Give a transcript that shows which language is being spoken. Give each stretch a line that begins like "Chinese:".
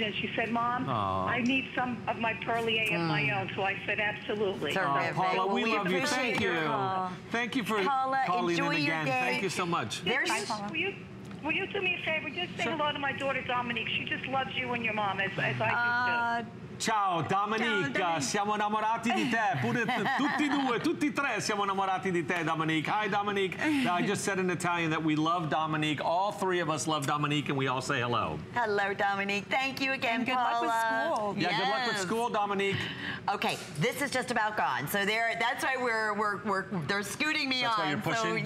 English: And she said, Mom, I need some of my Perlier of my own. So I said, absolutely. Paula, we love you. Thank you. Thank you for calling in again. Thank you so much. Will you do me a favor? Just say hello to my daughter, Dominique. She just loves you and your mom as I do, too.
Italian: Ciao Dominique. Siamo innamorati di te. Tutti due, tutti tre siamo innamorati di te, Dominique.
English: Hi, Dominique. Now, I just said in Italian that we love Dominique. All three of us love Dominique, and we all say hello. Hello, Dominique. Thank you again, and good Paula. Good luck with school. Yeah, good luck with school, Dominique. Okay, this is just about gone. So that's why we're they're scooting me that's on. Why you're pushing? So, yes,